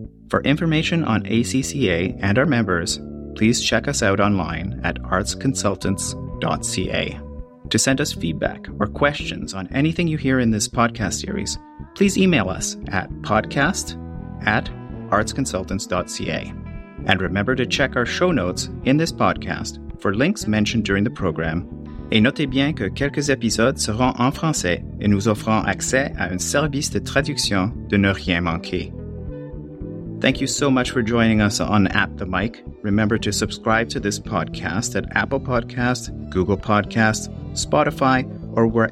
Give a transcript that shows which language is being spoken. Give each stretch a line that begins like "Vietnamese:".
English: For information on ACCA and our members, please check us out online at artsconsultants.ca. To send us feedback or questions on anything you hear in this podcast series, please email us at podcast@artsconsultants.ca. And remember to check our show notes in this podcast for links mentioned during the program.
French: Et notez bien que quelques épisodes seront en français et nous offrons accès à un service de traduction de ne rien manquer.
English: Thank you so much for joining us on At the Mic. Remember to subscribe to this podcast at Apple Podcasts, Google Podcasts, Spotify, or wherever you find your favorite podcasts. Until next time,